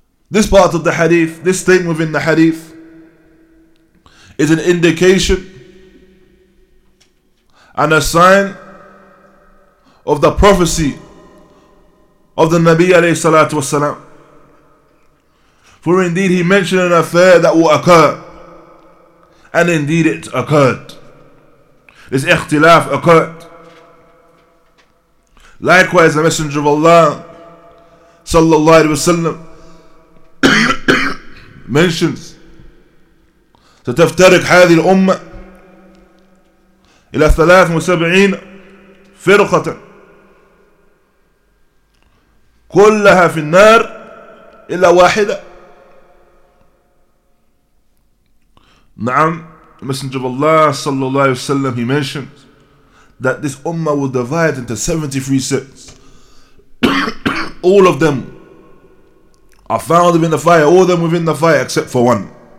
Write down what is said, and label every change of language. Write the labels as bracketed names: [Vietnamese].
[English] This part of the hadith, this statement within the hadith, is an indication and a sign of the prophecy of the Nabi alayhi salatu wa sallam. For indeed he mentioned an affair that will occur, and indeed it occurred. This ikhtilaf occurred. Likewise, the Messenger of Allah sallallahu alayhi wa sallam mentions [Arabic] ستفترق هذه الأمة إلى 73 فرقة كلها في النار إلا واحدة. نعم. [English] The Messenger of Allah sallallahu alayhi wa sallam, he mentions that this ummah will divide into 73 sects. All of them are found within the fire, all of them within the fire except for one.